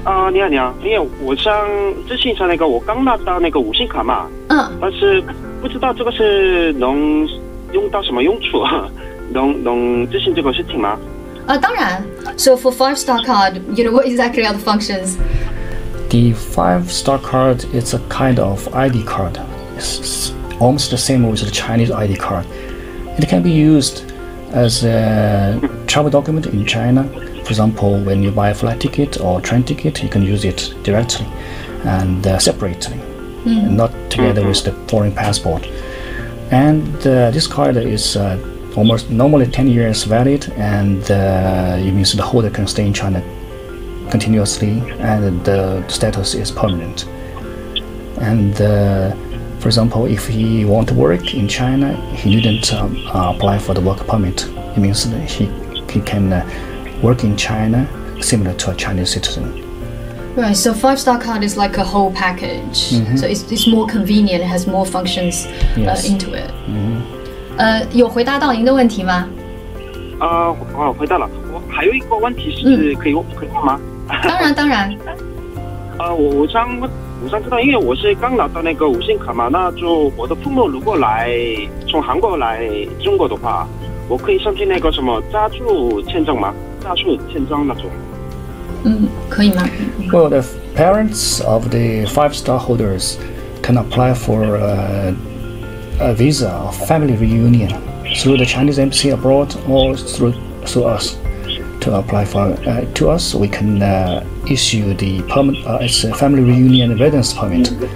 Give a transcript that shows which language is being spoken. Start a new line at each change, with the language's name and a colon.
Chinese: 你好，因为我想咨询一下那个，我刚拿到那个五星卡嘛，但是不知道这个是能用到什么用处，能咨询这个事情吗？当然。
English: So for five-star card, you know, what exactly are the functions? The five-star card is a kind of ID card. It's almost the same with the Chinese ID card. It can be used as a travel document in China. For example, when you buy a flight ticket or train ticket, you can use it directly and separately, not together with the foreign passport. And this card is almost normally 10 years valid, and it means the holder can stay in China continuously, and the status is permanent. And for example, if he want to work in China, he needn't apply for the work permit. It means he can work in China similar to a Chinese citizen. Right, so 5-star card is like a whole package. Mm-hmm. So it's more convenient, it has more functions into it. Mm-hmm.
Chinese: 有回答到您的问题吗? 回答了，我还有一个问题是可以问吗？当然。我想知道，因为我是刚拿到那个五星卡嘛，那就我的父母如果来从韩国来中国的话，我可以申请那个什么家住签证吗？家住签证那种。可以吗?
English: Well, the parents of the 5-star holders can apply for a visa or family reunion through the Chinese embassy abroad or through us to apply for. To us, we can issue the permit, it's a family reunion residence permit.